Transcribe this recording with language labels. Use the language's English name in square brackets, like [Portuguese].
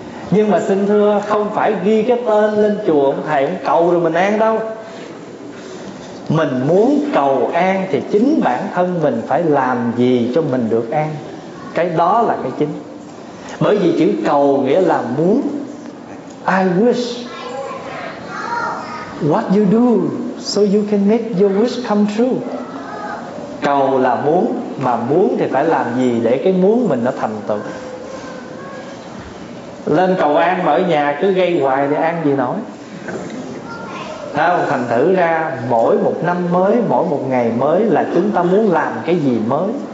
[Vietnamese] Nhưng mà xin thưa, không phải ghi cái tên lên chùa ông thầy ông cầu rồi mình an đâu. Mình muốn cầu an thì chính bản thân mình phải làm gì cho mình được an. Cái đó là cái chính. Bởi vì chữ cầu nghĩa là muốn. [English] I wish what you do so you can make your wish come true. [Vietnamese] Cầu là muốn, mà muốn thì phải làm gì để cái muốn mình nó thành tựu. Lên cầu an mà ở nhà cứ gây hoài thì an gì nổi. Thành thử ra mỗi một năm mới, mỗi một ngày mới là chúng ta muốn làm cái gì mới.